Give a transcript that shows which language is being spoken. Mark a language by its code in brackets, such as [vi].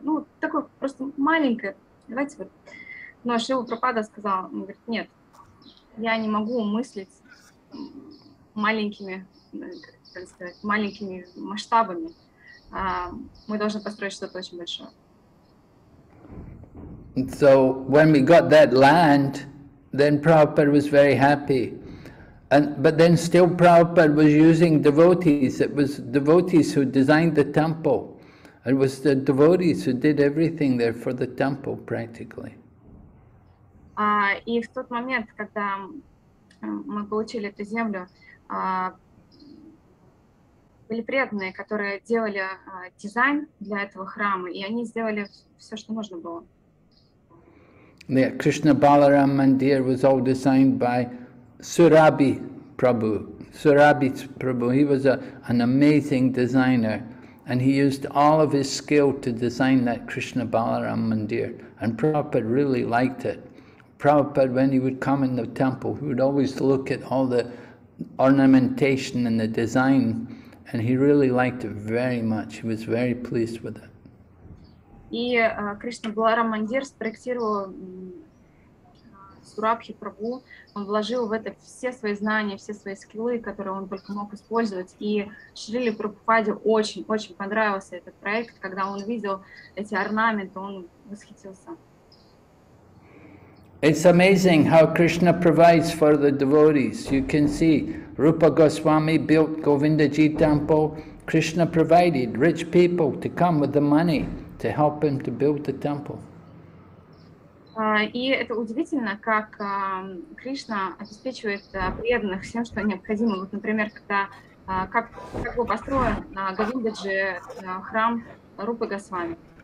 [ru] Ну, такое просто маленькое. Давайте вот. Но Шрила Прабхупада сказал, он говорит, нет, я не могу мыслить маленькими, как сказать, маленькими масштабами. Мы должны построить что-то очень большое. [en] So when we got that land, then Prabhupada was very happy. But then still Prabhupada was using devotees. It was devotees who designed the temple. It was the devotees who did everything there for the temple, practically. И в тот момент, когда мы получили эту землю, были преданные, которые делали дизайн для этого храма, и они сделали все, что можно было. The Krishna Balaram Mandir was all designed by Surabhi Prabhu. Surabhi Prabhu, he was an amazing designer. And he used all of his skill to design that Krishna Balaram Mandir. And Prabhupada really liked it. Prabhupada, when he would come in the temple, he would always look at all the ornamentation and the design. And he really liked it very much. He was very pleased with it. [ru] И Кришна Баларам Мандир спроектировал Сурабхи Прабху. Он вложил в это все свои знания, все свои скиллы, которые он только мог использовать. И Шрили Прабхупаде очень-очень понравился этот проект. Когда он видел эти орнаменты, он восхитился. [en] It's amazing how Krishna provides for the devotees. You can see Rupa Goswami built Govindaji temple. Krishna provided rich people to come with the money to help him to build the temple. [ru] И это удивительно, как Кришна обеспечивает преданных всем, что необходимо. Вот, например, когда как был построен Говиндаджи храм Рупы Госвами.